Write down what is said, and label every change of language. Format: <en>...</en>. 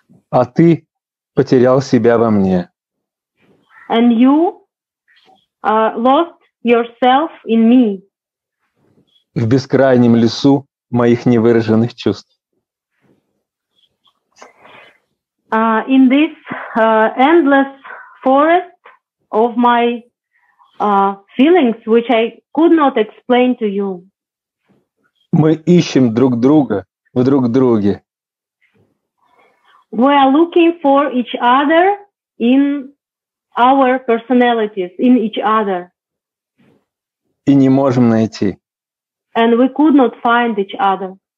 <ru>А ты потерял себя во мне.</ru> <en>And you lost yourself in me.</en> <ru>В бескрайнем лесу моих невыраженных чувств.</ru> <en>In this endless forest of my feelings, which I could not explain to you.</en> <ru>Мы ищем друг друга в друг друге.</ru> <en>We are looking for each other in our personalities, in each other.</en> <ru>И не можем найти.</ru> <en>And we could not find each other.</en>